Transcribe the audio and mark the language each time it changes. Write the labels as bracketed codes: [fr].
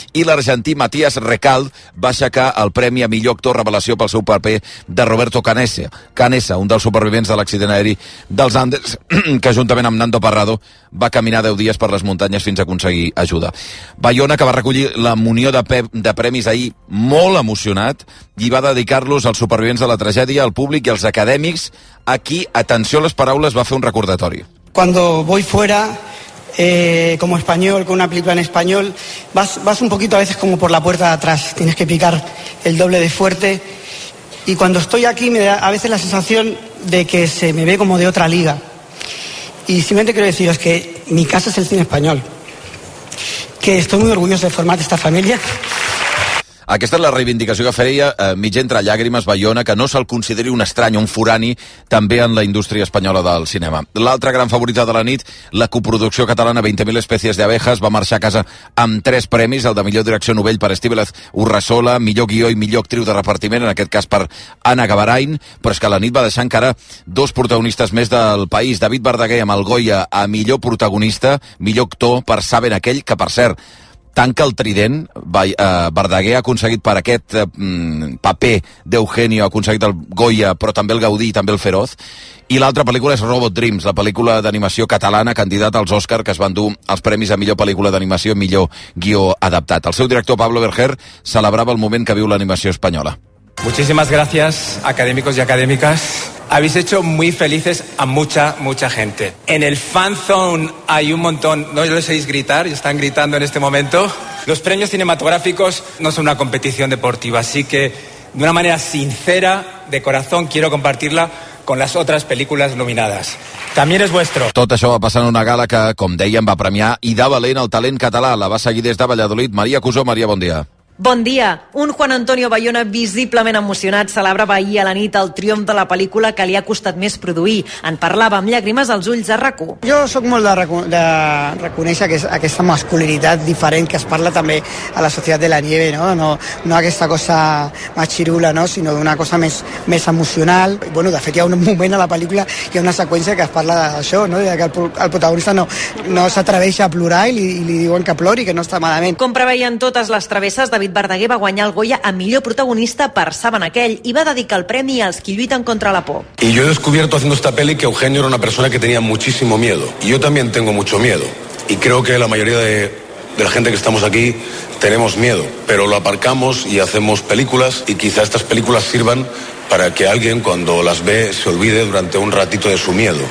[ca] I l'argentí Matías Recalde va aixecar el premi a millor actor revelació pel seu paper de Roberto Canessa, un dels supervivents de l'accident aeri dels Andes, que juntament amb Nando Parrado va caminar 10 dies per les muntanyes fins a aconseguir ajuda. Bayona, que va recollir la munió de premis ahir, molt emocionat, i va dedicar-los als supervivents de la tragèdia, al públic i als acadèmics, a qui, atenció a les paraules, va fer un recordatori. [es] Cuando voy fuera, como español, con una película en español, vas un poquito a veces como por la puerta de atrás, tienes que picar el doble de fuerte, y cuando estoy aquí me da a veces la sensación de que se me ve como de otra liga. Y simplemente quiero deciros que mi casa es el cine español, que estoy muy orgulloso de formar esta familia. [ca] Aquesta és la reivindicació que feia, mig entre llàgrimes, Bayona, que no se'l consideri un estrany, un forani, també en la indústria espanyola del cinema. L'altra gran favorita de la nit, la coproducció catalana 20.000 espècies d'abejas, va marxar a casa amb 3 premis, el de millor direcció novell per Estíbaliz Urresola, millor guió i millor actriu de repartiment, en aquest cas per Anna Gavarain, però és que la nit va deixar encara 2 protagonistes més del país, David Verdaguer amb el Goya a millor protagonista, millor actor per Saben aquell, que per cert, tanca el trident, Verdaguer ha aconseguit per aquest paper d'Eugenio, ha aconseguit el Goya, però també el Gaudí i també el Feroz. I l'altra pel·lícula és Robot Dreams, la pel·lícula d'animació catalana candidata als Oscar, que es van dur els premis a millor pel·lícula d'animació i millor guió adaptat. El seu director, Pablo Berger, celebrava el moment que viu l'animació espanyola. [es] Muchísimas gracias, académicos y académicas. Habéis hecho muy felices a mucha, mucha gente. En el fan zone hay un montón, no lo sabéis gritar, están gritando en este momento. Los premios cinematográficos no son una competición deportiva, así que de una manera sincera, de corazón, quiero compartirla con las otras películas nominadas. También es vuestro. [ca] Tot això va passar en una gala que, com dèiem, va premiar i de valent el talent català. La va seguir des de Valladolid. Maria Cusó, Maria, bon dia. Bon dia. Un Juan Antonio Bayona visiblement emocionat celebrava ahir a la nit el triomf de la pel·lícula que li ha costat més produir. En parlava amb llàgrimes als ulls a RAC1. Jo sóc molt de reconèixer aquesta masculinitat diferent que es parla també a la Societat de la Nieve, no? No aquesta cosa machirula, no? Sinó d'una cosa més emocional. Bueno, de fet, hi ha un moment a la pel·lícula que hi ha una seqüència que es parla d'això, no? Que el protagonista no s'atreveix a plorar i li diuen que plori, que no està malament. Com preveien totes les travesses, David Verdaguer va guanyar el Goya a millor protagonista per Saben aquell i va dedicar el premi als qui lluiten contra la por. [es] Y yo he descubierto haciendo esta peli que Eugenio era una persona que tenía muchísimo miedo. Y yo también tengo mucho miedo. Y creo que la mayoría de la gente que estamos aquí tenemos miedo. Pero lo aparcamos y hacemos películas y quizá estas películas sirvan para que alguien cuando las ve se olvide durante un ratito de su miedo.